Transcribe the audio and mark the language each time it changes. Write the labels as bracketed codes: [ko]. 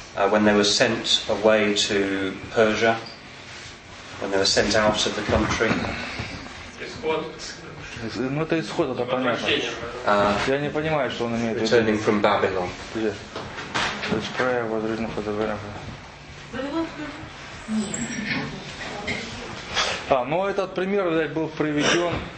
[en] When they were sent away to Persia, when they were sent out of the country. [ru] Ну это исход, это понятно. Я не понимаю, что он имеет в виду. [en] Returning from Babylon. This prayer was written for the benefit. [ru] Ну этот пример был приведен.